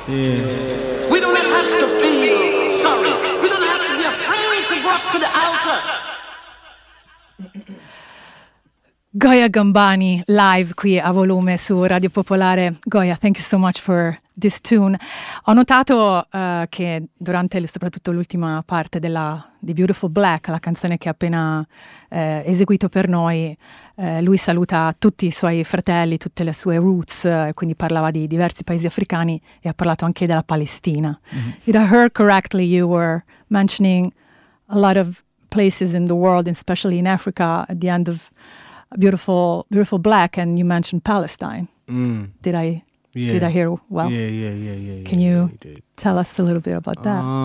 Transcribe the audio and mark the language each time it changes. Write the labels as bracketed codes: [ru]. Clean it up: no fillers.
[en] Yeah. We don't have to feel sorry. We don't have to be afraid to go up to the altar. [it] Goya Gambani, live qui a Volume su Radio Popolare. [en] Goya, thank you so much for this tune. [it] Ho notato che durante soprattutto l'ultima parte di Beautiful Black, la canzone che ha appena eseguito per noi, lui saluta tutti i suoi fratelli, tutte le sue roots, quindi parlava di diversi paesi africani e ha parlato anche della Palestina. [en] Did I hear correctly you were mentioning a lot of places in the world, especially in Africa, at the end of Beautiful Black, and you mentioned Palestine. Did I hear well? Yeah. Can you tell us a little bit about that?